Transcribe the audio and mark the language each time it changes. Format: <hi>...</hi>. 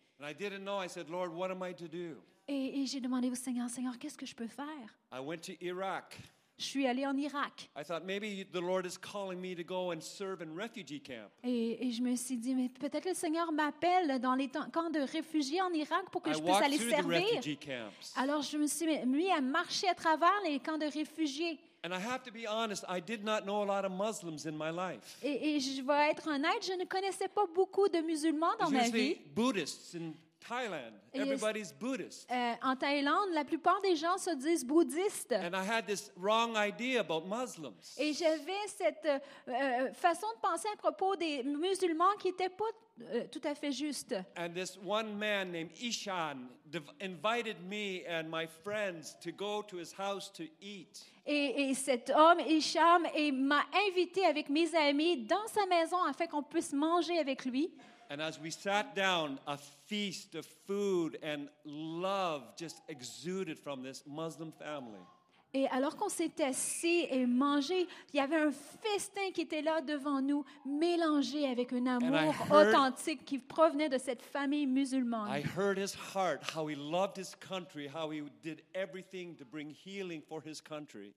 <en>And I didn't know. I said, Lord, what am I to do?</en> <fr>Et j'ai demandé au Seigneur, Seigneur, qu'est-ce que je peux faire?</fr> <en>I went to Iraq.</en> <fr>Je suis allé en Irak.</fr> <en>I thought maybe the Lord is calling me to go and serve in refugee camp.</en> <fr>Et je me suis dit, mais peut-être le Seigneur m'appelle dans les camps de réfugiés en Irak pour que je puisse aller servir.</fr> <en>The refugee camps.</en> <fr>Alors je me suis mis à marcher à travers les camps de réfugiés.</fr> <en>And I have to be honest, I did not know a lot of Muslims in my life.</en> <fr>Et je vais être honnête, je ne connaissais pas beaucoup de musulmans dans ma vie.</fr> <en>Buddhists in Thailand. Everybody's Buddhist.</en> <fr>En Thaïlande, la plupart des gens se disent bouddhistes.</fr> <en>And I had this wrong idea about Muslims.</en> <fr>Et j'avais cette façon de penser à propos des musulmans qui n'étaient pas tout à fait juste.</fr> <en>And this one man named Ishan invited me and my friends to go to his house to eat.</en> <fr>Et cet homme, Isham, m'a invité avec mes amis dans sa maison afin qu'on puisse manger avec lui.</fr> <en>And as we sat down, a feast of food and love just exuded from this Muslim family.</en> <fr>Et alors qu'on s'est assis et mangé, il y avait un festin qui était là devant nous, mélangé avec un amour authentique qui provenait de cette famille musulmane.</fr> <en>I heard his heart, how he loved his country, how he did everything to bring healing for his country.</en>